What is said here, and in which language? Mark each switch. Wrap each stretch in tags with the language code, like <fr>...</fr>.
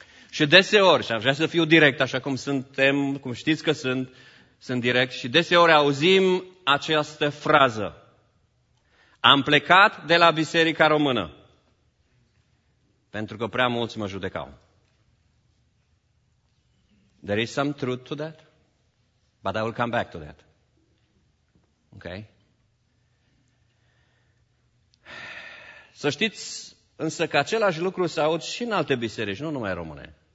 <ro>Și deseori, și aș vrea să fiu direct așa cum suntem, cum știți că sunt direct, și deseori auzim această frază. Am plecat de la Biserica Română pentru că prea mulți mă judecau.</ro> <en>There is some truth to that, but I will come back to that. Ok?</en> <ro>Să știți însă că același lucru se aud și în alte biserici, nu numai române.</ro>